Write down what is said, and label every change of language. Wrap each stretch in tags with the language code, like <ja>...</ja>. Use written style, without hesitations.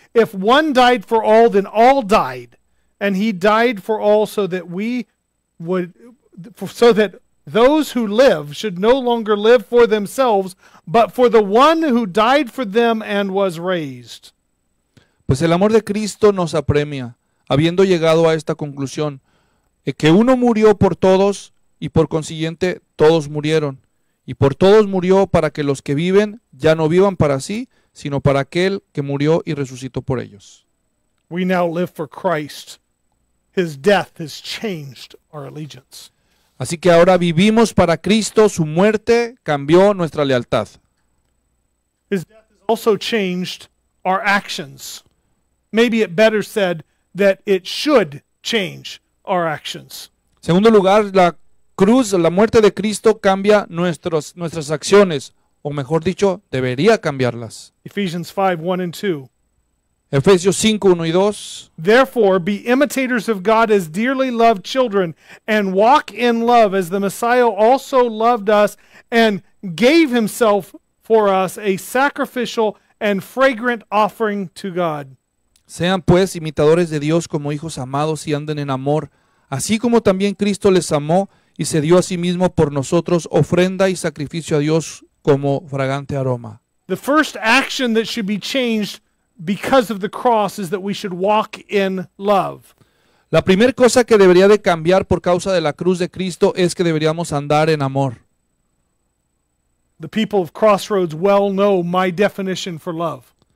<en>If one died for all, then all died. And he died for all so that we would, so that those who live should no longer live for themselves, but for the one who died for them and was raised.</en> <es>Pues el amor de Cristo nos apremia, habiendo llegado a esta conclusión, que uno murió por todos y por consiguiente todos murieron. Y por todos murió para que los que viven ya no vivan para sí, sino para aquel que murió y resucitó por ellos.</es> <en>We now live for Christ. His death has changed our allegiance.</en> <es>Así que ahora vivimos para Cristo, su muerte cambió nuestra lealtad.</es> <en>His death has also changed our actions. Maybe it better said that it should change our actions.</en> <es>Segundo lugar, la cruz, la muerte de Cristo cambia nuestras acciones, o mejor dicho, debería cambiarlas.</es> <en>Ephesians 5, 1 and 2.</en> <es>Efesios 5, 1 y 2.</es> <en>Therefore, be imitators of God as dearly loved children, and walk in love as the Messiah also loved us and gave himself for us a sacrificial and fragrant offering to God.</en> <es>Sean pues imitadores de Dios como hijos amados y anden en amor, así como también Cristo les amó y se dio a sí mismo por nosotros ofrenda y sacrificio a Dios como fragante aroma.</es> <en>The first action that should be changed because of the cross is that we should walk in love.</en> <es>La primera cosa que debería de cambiar por causa de la cruz de Cristo es que deberíamos andar en amor.</es> <en>The people of Crossroads well know my definition for love.</en>